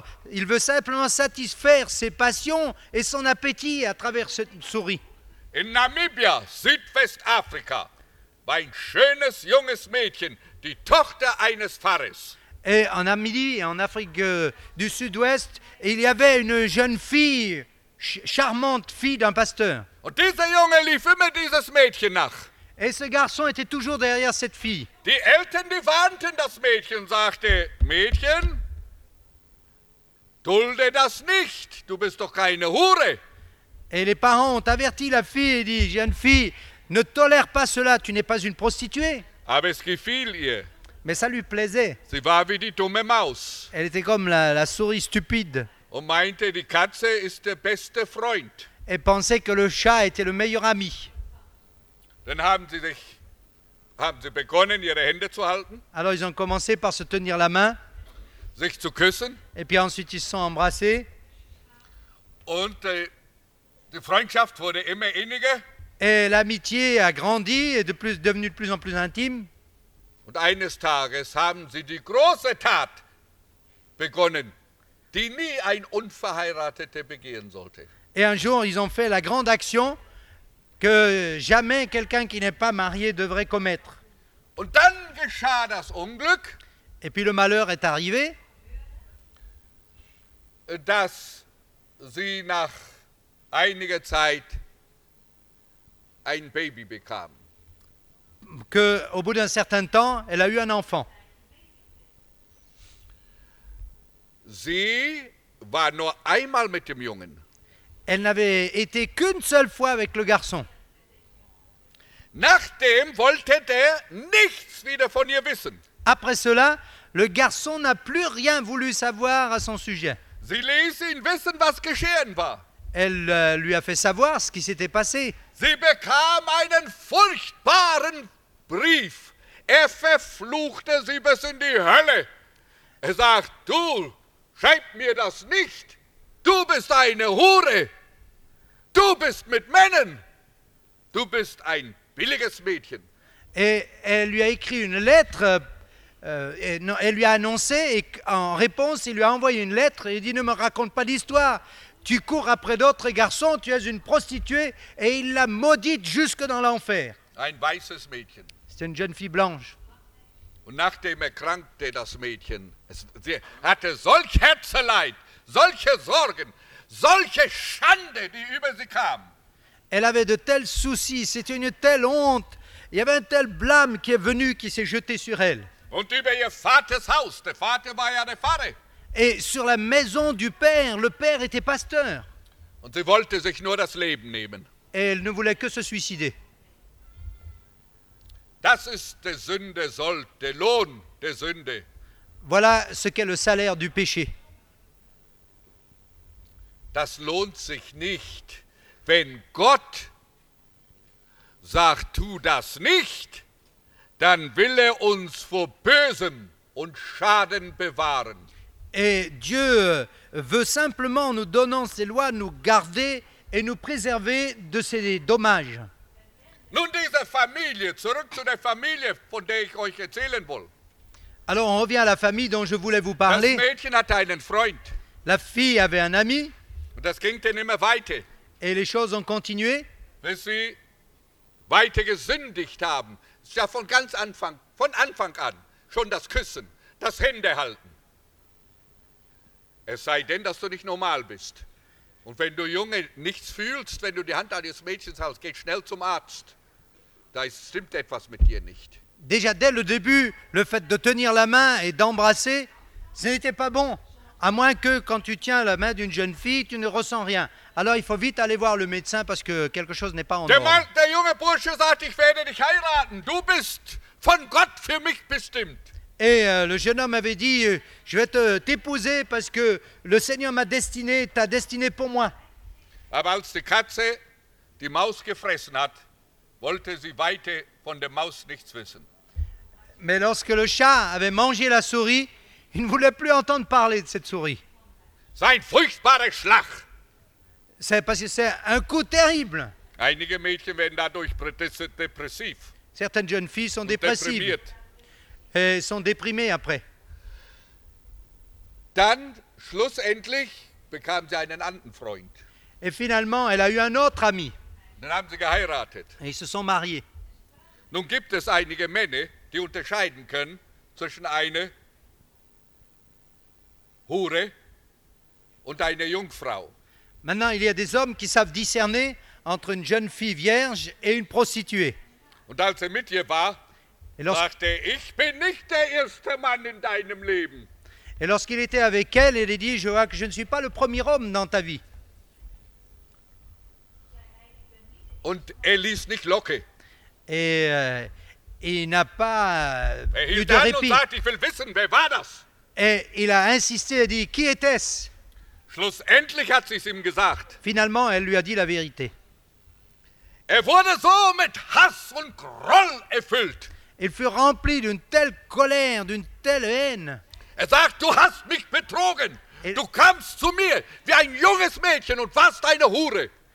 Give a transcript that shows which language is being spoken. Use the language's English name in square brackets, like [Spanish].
[French] Il veut simplement satisfaire ses passions et son appétit à travers cette souris. [German] In Namibia, Südwestafrika, war ein schönes junges Mädchen, die Tochter eines Pfarrers. [French] Et en Namibie, en Afrique du Sud-Ouest, il y avait une jeune fille, charmante fille d'un pasteur. [German] Und dieser Junge lief immer dieses Mädchen nach. [French] Et ce garçon était toujours derrière cette fille. [German] Die Eltern, die warnten das Mädchen, sagte, Mädchen, dulde das nicht, du bist doch keine Hure. [French] Et les parents ont averti la fille et dit, jeune fille, ne tolère pas cela, tu n'es pas une prostituée. [German] Aber es gefiel ihr. [French] Mais ça lui plaisait. [German] Sie war wie die dumme Maus. [French] Elle était comme la souris stupide. [German] Und meinte, die Katze ist der beste Freund. [French] Et pensait que le chat était le meilleur ami. [German] Dann haben sie sich Haben sie begonnen, ihre Hände zu halten? [French] Alors ils ont commencé par se tenir la main. [German] Sich zu küssen. [French] Et puis ensuite ils se sont embrassés. [German] Und die Freundschaft wurde immer inniger. [French] Et l'amitié a grandi et devenue de plus en plus intime. [German] Und eines Tages haben sie die große Tat begonnen, die nie ein Unverheirateter begehen sollte. [French] Et un jour, ils ont fait la grande action que jamais quelqu'un qui n'est pas marié devrait commettre. [German] Und dann geschah das Unglück. [French] Et puis le malheur est arrivé. [German] Dass sie nach einiger Zeit ein Baby bekam. [French] Que au bout d'un certain temps, elle a eu un enfant. [German] Sie war nur einmal mit dem Jungen. [French] Elle n'avait été qu'une seule fois avec le garçon. [German] Nachdem wollte der nichts wieder von ihr wissen. [French] Après cela, le garçon n'a plus rien voulu savoir à son sujet. [German] Sie ließ ihn wissen, was geschehen war. [French] Elle lui a fait savoir ce qui s'était passé. [German] Sie bekam einen furchtbaren Brief. Verfluchte sie bis in die Hölle. Sagt, du, schreib mir das nicht. Du bist eine Hure. Du bist mit Männern. Du bist ein billiges Mädchen. [French] Et elle lui a écrit une lettre. Elle lui a annoncé et en réponse, il lui a envoyé une lettre et il dit, ne me raconte pas d'histoire. Tu cours après d'autres garçons, tu es une prostituée. Et il l'a maudite jusque dans l'enfer. [German] Ein weißes Mädchen. [French] C'est une jeune fille blanche. [German] Und nachdem erkrankte das Mädchen, sie hatte solch Herzeleid, solche Sorgen, solche Schande, die über sie kam. [French] Elle avait de tels soucis, c'était une telle honte. Il y avait un tel blâme qui est venu, qui s'est jeté sur elle. [German] Und über ihr Vaters Haus, der Vater war ja der Pfarrer. [French] Et sur la maison du père, le père était pasteur. [German] Und sie wollte sich nur das Leben nehmen. [French] Et elle ne voulait que se suicider. [German] Das ist der Sünde Sold, der Lohn der Sünde. [French] Voilà ce qu'est le salaire du péché. [German] Das lohnt sich nicht, wenn Gott sagt, tu das nicht, dann will er uns vor Bösem und Schaden bewahren. [French] Et Dieu veut simplement nous donnant ses lois nous garder et nous préserver de ces dommages. [German] Nun diese Familie, zurück zu der Familie, von der ich euch erzählen will. [French] Alors on revient à la famille dont je voulais vous parler. [German] Das Mädchen hatte einen Freund. [French] La fille avait un ami. [German] Und das ging dann immer weiter. [French] Et les choses ont continué. [German] Bis sie weiter gesündigt haben. Ist ja von ganz Anfang, von Anfang an, schon das Küssen, das Händehalten. Es sei denn, dass du nicht normal bist. Und wenn du Junge nichts fühlst, wenn du die Hand eines Mädchens hältst, geh schnell zum Arzt. Da stimmt etwas mit dir nicht. [French] Déjà dès le début, le fait de tenir la main et d'embrasser, ce n'était pas bon. À moins que quand tu tiens la main d'une jeune fille, tu ne ressens rien. Alors il faut vite aller voir le médecin parce que quelque chose n'est pas en ordre. [German] Der junge Bursche sagt, ich werde dich heiraten. Du bist von Gott für mich bestimmt. [French] Et le jeune homme avait dit, je vais t'épouser parce que le Seigneur m'a destiné, t'a destiné pour moi. [German] Aber als die Katze die Maus gefressen hat, wollte sie weiter von der Maus nichts wissen. [French] Mais lorsque le chat avait mangé la souris, il ne voulait plus entendre parler de cette souris. [German] Sein furchtbarer Schlag. [French] C'est parce que c'est un coup terrible. [German] Einige Mädchen werden dadurch depressiv. [French] Certaines jeunes filles sont déprimées. Et sont déprimés après. [German] Dann schlussendlich bekam sie einen anderen Freund. [French] Et finalement, elle a eu un autre ami. [German] Dann haben sie geheiratet. [French] Et ils se sont mariés. [German] Nun gibt es einige Männer, die unterscheiden können zwischen einer Hure und einer Jungfrau. [French] Maintenant, il y a des hommes qui savent discerner entre une jeune fille vierge et une prostituée. [German] Und als er mit ihr war, sagte, ich bin nicht der erste Mann in deinem Leben. [French] Et lorsqu'il était avec elle, il dit, je vois que je ne suis pas le premier homme dans ta vie. [German] Und er ließ nicht locker. [French] Et il n'a pas eu de répit. [German] Und sagt, ich will wissen, wer war das? [French] Et il a insisté, il dit, qui était-ce? [German] Schlussendlich hat sie es ihm gesagt. [French] Finalement, elle lui a dit la vérité. [German] Wurde so mit Hass und Groll erfüllt. [French] Il fut rempli d'une telle colère, d'une telle haine. [German] Er sagt, du hast mich betrogen. Du kamst zu mir wie ein junges Mädchen und warst eine Hure.